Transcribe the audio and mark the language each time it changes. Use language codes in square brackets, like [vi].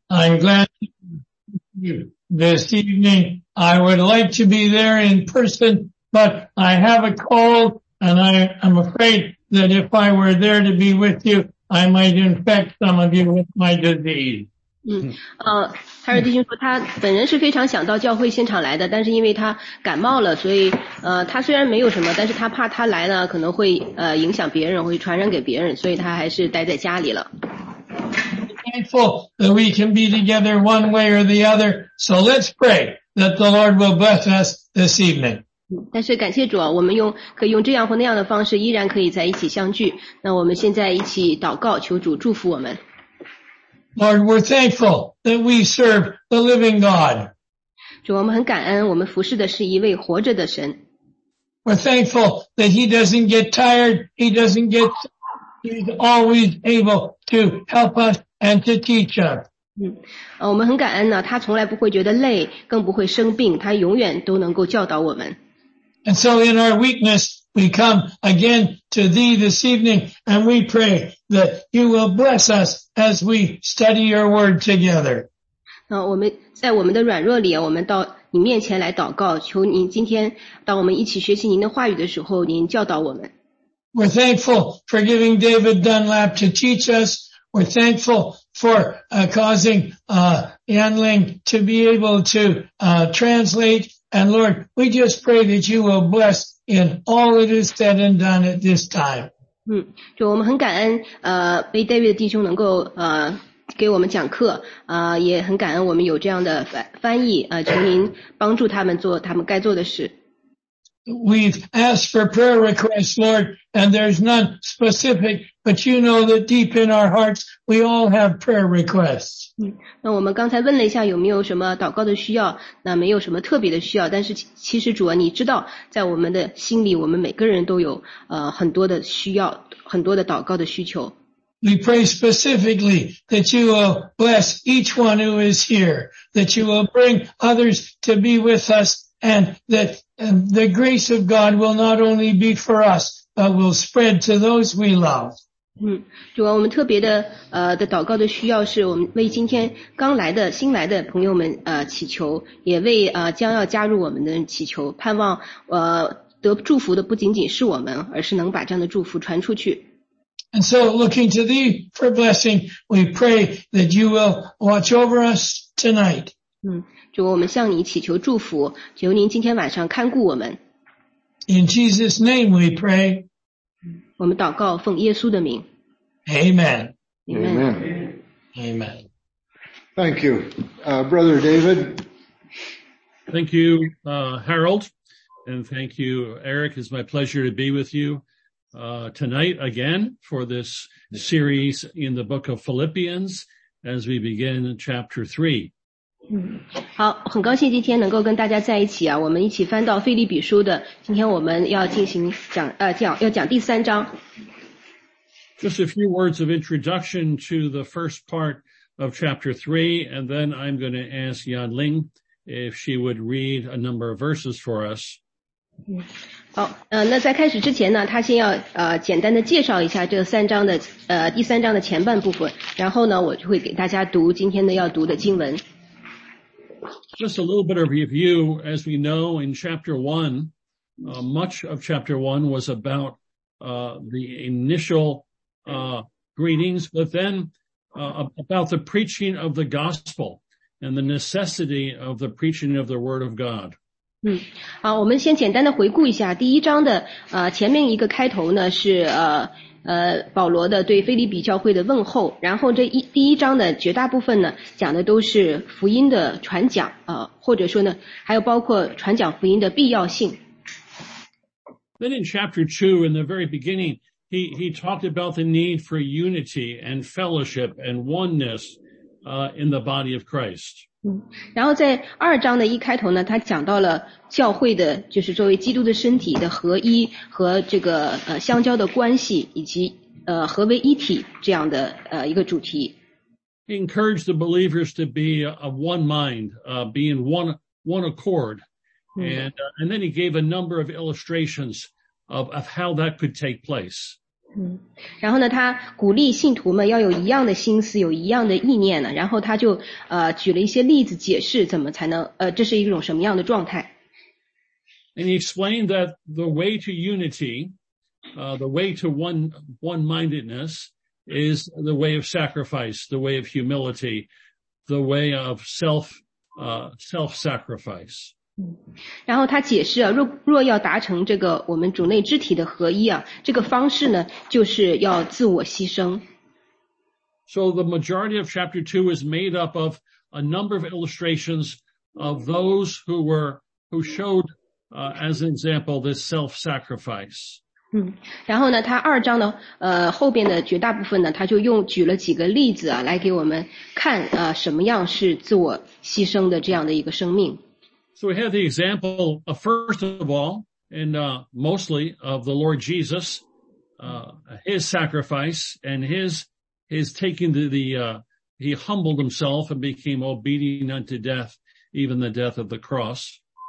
[en] I'm glad to see you this evening. I would like to be there in person, but I have a cold, and I am afraid that if I were there to be with you, I might infect some of you with my disease. [zh] 哈尔德弟兄说他本人是非常想到教会现场来的，但是因为他感冒了，所以他虽然没有什么，但是他怕他来呢可能会影响别人，会传染给别人，所以他还是待在家里了。 [en] Thankful that we can be together one way or the other, so let's pray that the Lord will bless us this evening. [zh] 但是感谢主啊，我们可以用这样或那样的方式依然可以在一起相聚，那我们现在一起祷告，求主祝福我们。 [en] Lord, we're thankful that we serve the living God. [zh] 主，我们很感恩，我们服侍的是一位活着的神。 [en] We're thankful that He doesn't get tired, He doesn't get tired. He's always able to help us and to teach us. [zh] 我们很感恩呢，他从来不会觉得累，更不会生病，他永远都能够教导我们。 [en] And so in our weakness, we come again to thee this evening, and we pray that you will bless us as we study your word together. [zh] 我们在我们的软弱里，我们到你面前来祷告，求您今天当我们一起学习您的话语的时候，您教导我们。 [en] We're thankful for giving David Dunlap to teach us. We're thankful for causing Yan Ling to be able to translate. And Lord, we just pray that you will bless in all it is said and done at this time. [zh] 主，我们很感恩，被 David 弟兄能够给我们讲课，也很感恩我们有这样的翻译，求您帮助他们做他们该做的事。 [en] We've asked for prayer requests, Lord, and there's none specific, but you know that deep in our hearts, we all have prayer requests. [zh] 那我们刚才问了一下有没有什么祷告的需要，那没有什么特别的需要，但是其实主啊，你知道在我们的心里，我们每个人都有很多的需要，很多的祷告的需求。 [en] We pray specifically that you will bless each one who is here, that you will bring others to be with us, and that the grace of God will not only be for us, but will spread to those we love. [zh] 主啊，我们特别的的祷告的需要是我们为今天刚来的新来的朋友们祈求，也为将要加入我们的人祈求，盼望得祝福的不仅仅是我们，而是能把这样的祝福传出去。 [en] And so looking to thee for blessing, we pray that you will watch over us tonight. [zh] 主，我们向你祈求祝福，求您今天晚上看顾我们。 [en] In Jesus' name we pray. [zh] 我们祷告奉耶稣的名。 [en] Amen. Amen. Amen. Thank you, Brother David. Thank you, Harold. And thank you, Eric. It's my pleasure to be with you tonight again for this series in the book of Philippians as we begin chapter 3. [zh] 好，很高兴今天能够跟大家在一起啊，我们一起翻到腓立比书的，今天我们要进行讲第三章。 [en] Just a few words of introduction to the first part of chapter 3, and then I'm going to ask Yan Ling if she would read a number of verses for us. [zh] 好，那在开始之前呢，他先要简单的介绍一下这三章的第三章的前半部分，然后呢，我就会给大家读今天的要读的经文。 [en] Just a little bit of review. As we know, in chapter 1, much of chapter 1 was about the initial greetings, but then about the preaching of the gospel and the necessity of the preaching of the word of God. [zh] 我们先简单的回顾一下第一章的前面一个开头呢是保罗的对腓立比教会的问候，然后这第一章的绝大部分呢讲的都是福音的传讲，或者说呢还有包括传讲福音的必要性。 [en] Then in chapter 2, in the very beginning, he talked about the need for unity and fellowship and oneness in the body of Christ. [zh] 然后在二章的一开头呢，他讲到了教会的，就是作为基督的身体的合一和这个相交的关系，以及合为一体这样的一个主题。 [en] He encouraged the believers to be of one mind, being one accord, and then he gave a number of illustrations of how that could take place. [zh] 然后呢，他鼓励信徒们要有一样的心思，有一样的意念呢。然后他就举了一些例子，解释怎么才能这是一种什么样的状态。 [en] And he explained that the way to unity, the way to one-mindedness is the way of sacrifice, the way of humility, the way of self-sacrifice. [zh] 然后他解释啊，若要达成这个我们主内肢体的合一啊，这个方式呢，就是要自我牺牲。 [en] So the majority of chapter 2 is made up of a number of illustrations of those who showed as an example, this self-sacrifice. [zh] 然后呢，他二章的后边的绝大部分呢，他就用举了几个例子啊，来给我们看什么样是自我牺牲的这样的一个生命。 [en] So we have the example of first of all, and mostly of the Lord Jesus, his sacrifice and his taking he humbled himself and became obedient unto death, even the death of the cross.